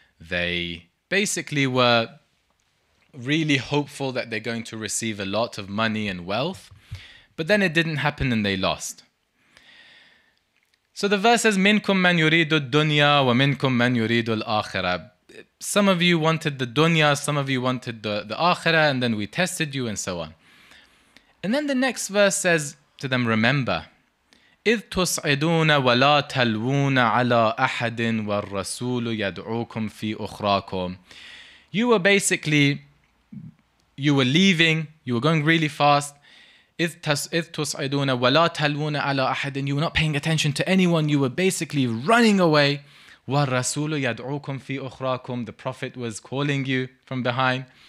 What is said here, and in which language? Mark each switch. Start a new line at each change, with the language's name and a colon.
English: They basically were really hopeful that they're going to receive a lot of money and wealth. But then it didn't happen and they lost. So the verse says,
Arabic: "Minkum man yuridu dunya wa minkum man yuridu al-akhirah."
English: Some of you wanted the dunya, some of you wanted the akhirah, and then we tested you and so on. And then the next verse says to them, remember,
Arabic: إِذْ تُصْعِدُونَ وَلَا تَلْوُونَ عَلَىٰ أَحَدٍ وَالرَّسُولُ يَدْعُوكُمْ فِي أُخْرَاكُمْ.
English: You were basically, you were leaving, you were going really fast.
Arabic: إِذْ تُصْعِدُونَ وَلَا تَلْوُونَ عَلَىٰ أَحَدٍ.
English: You were not paying attention to anyone, you were basically running away.
Arabic: وَالرَّسُولُ يَدْعُوكُمْ فِي أُخْرَاكُمْ.
English: The Prophet was calling you from behind.